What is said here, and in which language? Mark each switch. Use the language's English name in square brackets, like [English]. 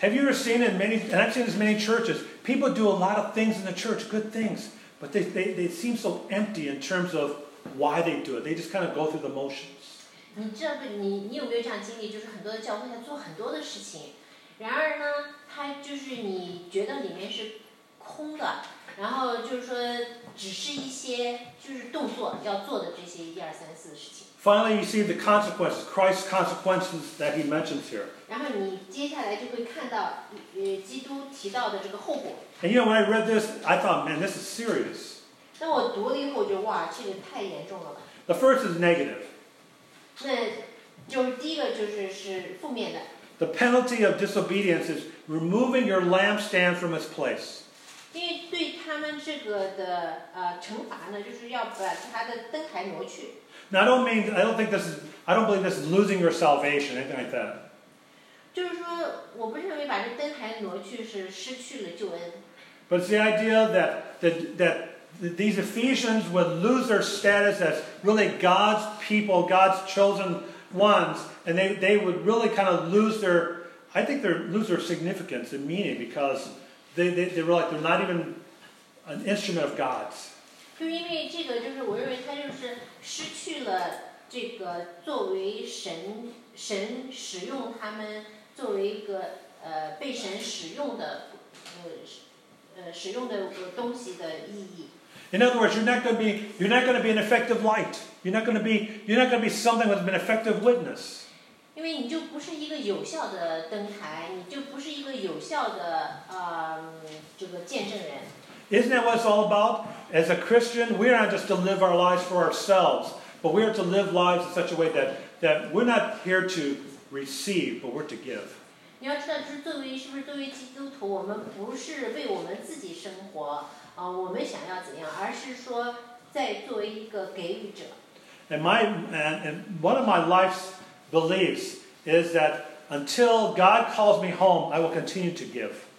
[English] Have you ever seen in many, and I've seen in many churches, people do a lot of things in the church, good things, but they seem so empty in terms of why they do it. They just kind of go through the motions. [Chinese] 你有没有这样经历？就是很多的教会他做很多的事情。然而呢，他就是你觉得里面是空的，然后就是说只是一些就是动作要做的这些一二三四的事情。 [English] Finally, you see the consequences, Christ's consequences that he mentions here. [Chinese] 然后你接下来就会看到，基督提到的这个后果。 [English] And you know, when I read this, I thought, man, this is serious. [Chinese] 那我读了以后就哇，这个太严重了吧。 [English] The first is negative. [Chinese] 那就是第一个就是负面的。 [English] The penalty of disobedience is removing your lampstand from its place. [Chinese] 因为对他们这个的惩罚呢，就是要把他的灯台挪去。 [English] Now I don't believe this is losing your salvation, anything like that. [Chinese] 就是说，我不认为把这灯台挪去是失去了救恩。 [English] But it's the idea that these Ephesians would lose their status as really God's people, God's chosen ones. And they would really kind of lose their significance and meaning because they were like, they're not even an instrument of God's. [Chinese] 就因为这个就是我认为他就是失去了这个作为神使用他们作为一个被神使用的使用的东西的意义。 [English] In other words, you're not going to be an effective light. You're not going to be something that's been an effective witness. [Chinese] 因为你就不是一个有效的灯台，你就不是一个有效的这个见证人。 [English] Isn't that what it's all about? As a Christian, we're not just to live our lives for ourselves, but we are to live lives in such a way that we're not here to receive, but we're to give. [Chinese] 你要知道，就是作为基督徒，我们不是为我们自己生活。我们想要怎样，而是说在作为一个给予者。 [English] And one of my life's beliefs is that until God calls me home, I will continue to give.